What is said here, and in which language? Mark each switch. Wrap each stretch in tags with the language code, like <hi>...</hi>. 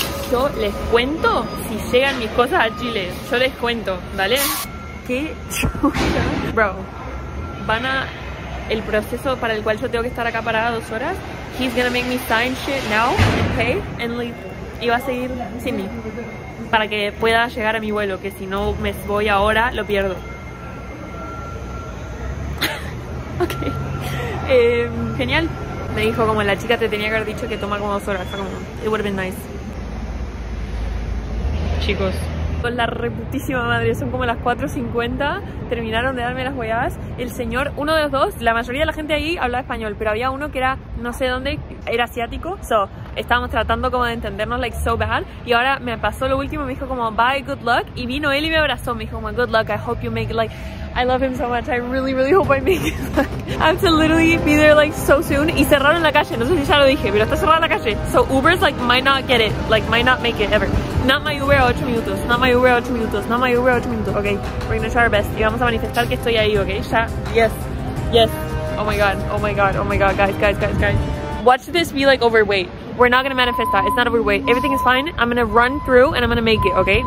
<es>Yo les cuento si llegan mis cosas a Chile. Yo les cuento, ¿vale? Qué chula. Bro, van a... El proceso para el cual yo tengo que estar acá parada 2 horas.</es> <en>He's gonna make me sign shit now and pay and leave.</en> <es>Y va a seguir sin mí. Para que pueda llegar a mi vuelo. Que si no me voy ahora, lo pierdo. Ok. Genial. Me dijo como la chica te tenía que haber dicho que toma como 2 horas. Fue como,</es> <en>it would've been nice.</en> <es>Chicos, con la reputísima madre, son como las 4:50, terminaron de darme las huevadas. El señor, uno de los dos, la mayoría de la gente ahí hablaba español, pero había uno que era, no sé dónde, era asiático. So, estábamos tratando como de entendernos,</es> <en>like, so bad.</en> <es>Y ahora me pasó lo último, me dijo como,</es> <en>bye, good luck.</en> <es>Y vino él y me abrazó, me dijo como,</es> <en>good luck, I hope you make it, like, I love him so much, I really, really hope I make it. I have to literally be there, like, so soon.</en> <es>Y cerraron la calle, no sé si ya lo dije, pero está cerrada la calle.</es> <en>So, Uber's, like, might not get it, like, might not make it, ever. Not my Uber</en> <es>a 8 minutos,</es> <en>not my Uber a 8 minutos, not my Uber a 8 minutos. Okay, we're gonna try our best.</en> <es>Y vamos a manifestar que estoy ahí, okay? Ya.</es> <en>Yes, yes. Oh my god, oh my god, oh my god, guys, guys, guys, guys. Watch this be like overweight. We're not gonna manifest that, it's not overweight. Everything is fine, I'm gonna run through and I'm gonna make it, okay?</en>